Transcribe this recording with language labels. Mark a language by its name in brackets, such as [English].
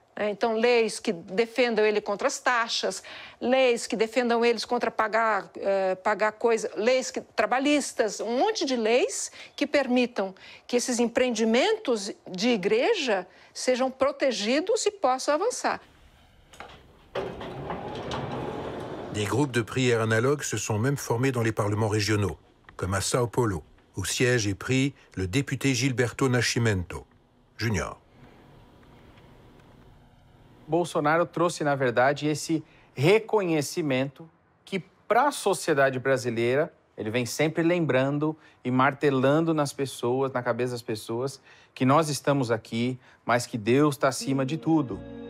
[Portuguese] Então, leis que defendam ele contra as taxas, leis que defendam eles contra pagar coisas, leis que, trabalhistas, um monte de leis que permitam que esses empreendimentos de igreja sejam protegidos e possam avançar. [French] Des groupes de prière analogues se sont même formés dans les parlements régionaux, comme à São Paulo, où siège et prie le député Gilberto Nascimento, junior. [Portuguese] Bolsonaro trouxe, na verdade, esse reconhecimento que, para a sociedade brasileira, ele vem sempre lembrando e martelando nas pessoas, na cabeça das pessoas, que nós estamos aqui, mas que Deus está acima de tudo.